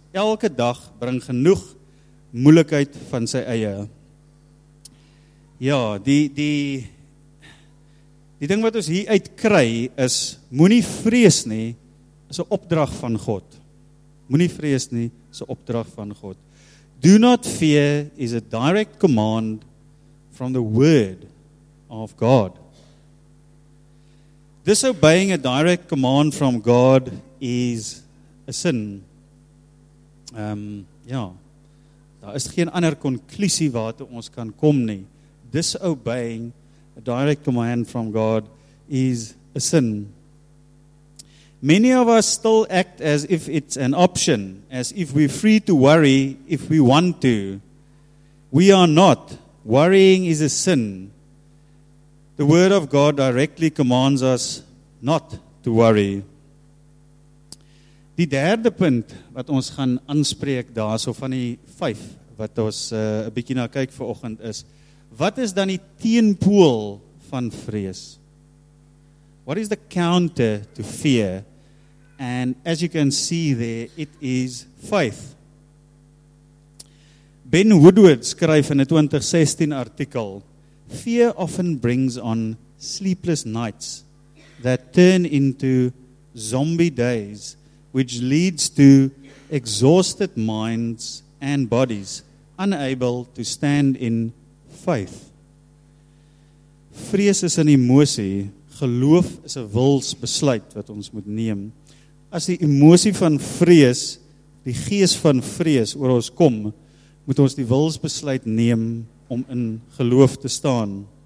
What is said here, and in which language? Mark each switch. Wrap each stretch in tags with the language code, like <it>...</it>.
<af>Elke dag bring genoeg moeilikheid van sy eie. Ja, die ding wat ons hier uit kry is, moenie vrees nie, is 'n opdrag van God. Moenie vrees nie, is 'n opdrag van God.</af> <en>Do not fear is a direct command from the word of God. Disobeying a direct command from God is a sin.</en> <af>Daar is geen ander konklusie waartoe ons kan kom nie.</af> <en>Disobeying a direct command from God is a sin. Many of us still act as if it's an option, as if we're free to worry if we want to. We are not. Worrying is a sin. The word of God directly commands us not to worry.</en> <af>Die derde punt wat ons gaan aanspreek daar, so van die vyf, wat ons 'n bietjie na kyk vanoggend is, wat is dan die teenpool van vrees?</af> <en>What is the counter to fear? And as you can see there, it is faith. Ben Woodward</en> <af>skryf in 'n 2016 artikel,</af> <en>fear often brings on sleepless nights that turn into zombie days, which leads to exhausted minds and bodies unable to stand in faith.</en> <af>Vrees is 'n emosie, geloof is 'n wilsbesluit wat ons moet neem. As die emosie van vrees, die gees van vrees oor ons kom, moet ons die wilsbesluit neem om in geloof te staan.</af>